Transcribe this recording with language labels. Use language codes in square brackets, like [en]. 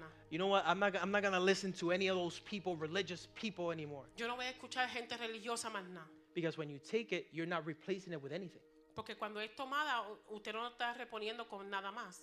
[en] You know what? I'm not going to listen to any of those people, religious people anymore. [es] Yo no voy a escuchar gente religiosa más nada. [en] Because when you take it, you're not replacing it with anything. [es] Porque cuando es tomada, usted no está reponiendo con nada más.